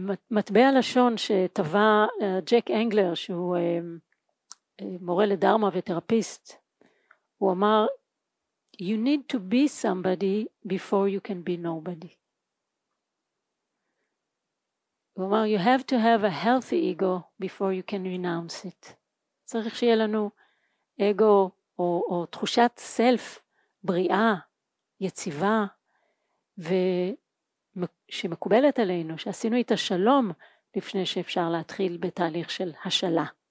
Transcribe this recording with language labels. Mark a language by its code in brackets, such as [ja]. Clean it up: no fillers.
[he] מטבע לשון שטבע ג'ק אנגלר, שהוא מורה לדרמה ותרפיסט, הוא אמר, [en] "You need to be somebody before you can be nobody." [he] הוא אמר, [en] "You have to have a healthy ego before you can renounce it." [he] צריך שיהיה לנו אגו או תחושת סלף בריאה, יציבה, ושמקובלת עלינו, שעשינו איתה שלום לפני שאפשר להתחיל בתהליך של השלה.